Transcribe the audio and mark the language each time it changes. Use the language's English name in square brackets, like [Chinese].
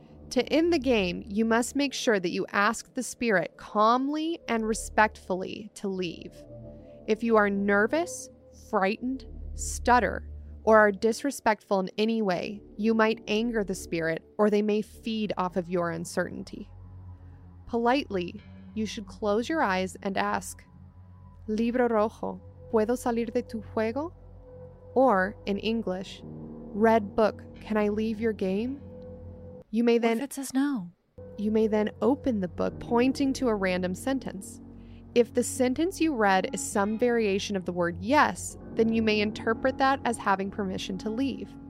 [English] To end the game, you must make sure that you ask the spirit calmly and respectfully to leave. If you are nervous, frightened, stutter, or are disrespectful in any way, you might anger the spirit or they may feed off of your uncertainty. Politely, you should close your eyes and ask, [Spanish] Libro rojo, ¿puedo salir de tu juego? [English] Or, in English, red book, can I leave your game? You may then... What if it says no? You may then open the book, pointing to a random sentence. If the sentence you read is some variation of the word yes, then you may interpret that as having permission to leave.